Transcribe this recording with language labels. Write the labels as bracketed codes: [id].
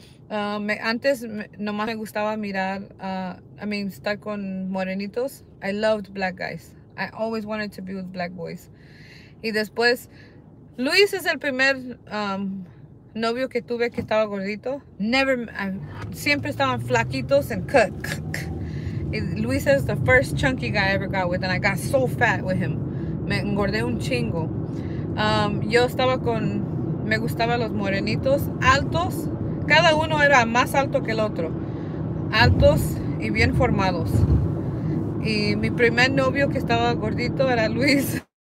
[es] Antes nomás me gustaba mirar, estar con morenitos. [en] I loved black guys. I always wanted to be with black boys. [es] Y después, Luis es el primer novio que tuve que estaba gordito. Siempre estaban flaquitos [en] and cut. Luis is the first chunky guy I ever got with, and I got so fat with him. [es] Me engordé un chingo. Yo estaba con, me gustaban los morenitos, altos. Cada uno era más alto que el otro. Altos y bien formados. Y mi primer novio que estaba gordito era Luis.